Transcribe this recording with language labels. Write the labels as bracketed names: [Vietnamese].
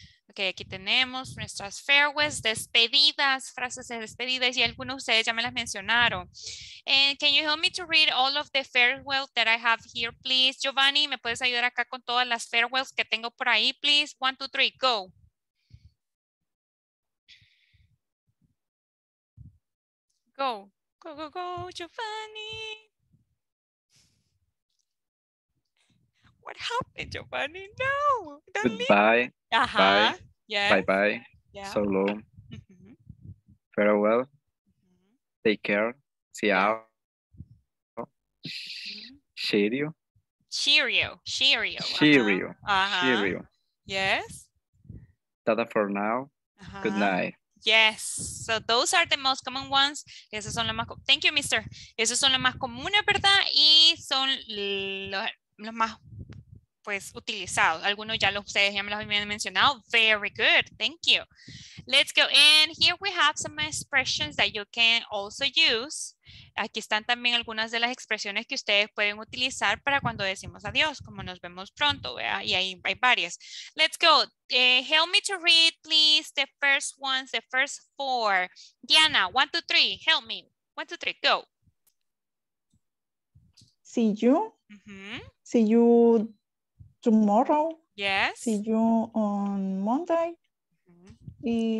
[Spanish] Okay, aquí tenemos nuestras farewells, despedidas, frases de despedidas, y algunos de ustedes ya me las mencionaron. [English] And can you help me to read all of the farewells that I have here, please? [Spanish] Giovanni, ¿me puedes ayudar acá con todas las farewells que tengo por ahí, please? [English] 1, 2, 3, go. Go. Go, Giovanni. What happened, Giovanni? No. Goodbye. Uh-huh. Bye. Yes. Bye-bye. Yeah. So long. Mm-hmm. Farewell. Mm-hmm. Take care. See you. Mm-hmm. Cheerio. Cheerio. Cheerio. Cheerio. Uh-huh. Cheerio. Yes. Tada for now. Uh-huh. Good night. Yes, so those are the most common ones. [Spanish] Esos son los más, [English] thank you, mister. [Spanish] Esos son los más comunes, ¿verdad? Y son los más, pues, utilizados. Algunos ya los ustedes ya me los habían mencionado. [English] Very good, thank you. Let's go. And here we have some expressions that you can also use. [Spanish] Aquí están también algunas de las expresiones que ustedes pueden utilizar para cuando decimos adiós, como nos vemos pronto, ¿vea? Y ahí hay varias. [English] Let's go. Help me to read, please, the first ones, the first four. Diana, 1, 2, 3, help me. 1, 2, 3, go. See you. Mm-hmm. See you tomorrow. Yes. See you on Monday. Mm-hmm.